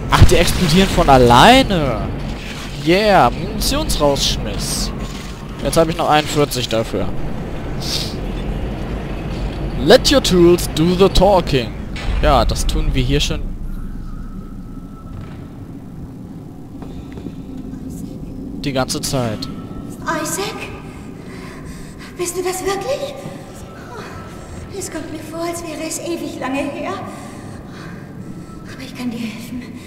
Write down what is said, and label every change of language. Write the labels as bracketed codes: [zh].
[de] die explodieren von alleine. Yeah, Munitionsrausschmiss. Jetzt habe ich noch 41 dafür. [en] Let your tools do the talking. [de] Ja, das tun wir hier schon. Die ganze Zeit. Isaac? Bist du das wirklich? Oh, es kommt mir vor, als wäre es ewig lange her. Aber ich kann dir helfen.